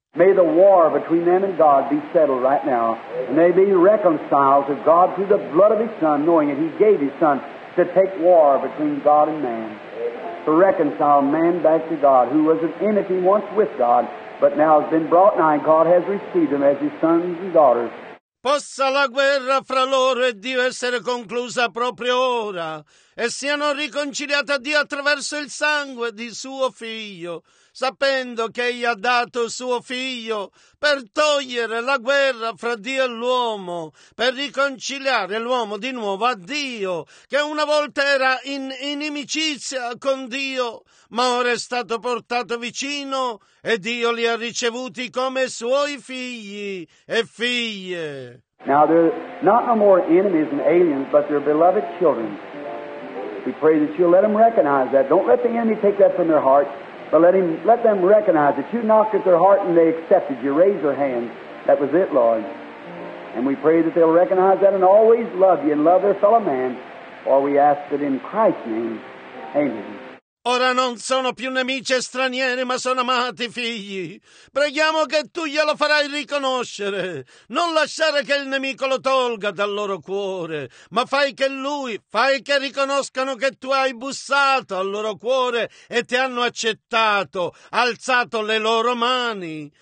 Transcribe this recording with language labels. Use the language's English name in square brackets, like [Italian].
[English] May the war between them and God be settled right now, and they be reconciled to God through the blood of his Son, knowing that he gave his Son to take war between God and man, to reconcile man back to God, who was an enemy once with God, but now has been brought nigh, and God has received him as his sons and daughters. [Italian] Possa la guerra fra loro e Dio essere conclusa proprio ora, e siano riconciliati a Dio attraverso il sangue di suo figlio, sapendo che egli ha dato suo figlio per togliere la guerra fra Dio e l'uomo, per riconciliare l'uomo di nuovo a Dio, che una volta era in inimicizia con Dio, ma ora è stato portato vicino e Dio li ha ricevuti come suoi figli e figlie. [English] Now they're not no more enemies and aliens, but they're beloved children. We pray that you'll let them recognize that. Don't let the enemy take that from their heart, but let them recognize that you knocked at their heart and they accepted you. Raise their hand. That was it, Lord. And we pray that they'll recognize that and always love you and love their fellow man. For we ask it in Christ's name. Amen. [Italian] Ora non sono più nemici e stranieri, ma sono amati figli. Preghiamo che tu glielo farai riconoscere. Non lasciare che il nemico lo tolga dal loro cuore, ma fai che riconoscano che tu hai bussato al loro cuore e ti hanno accettato, alzato le loro mani.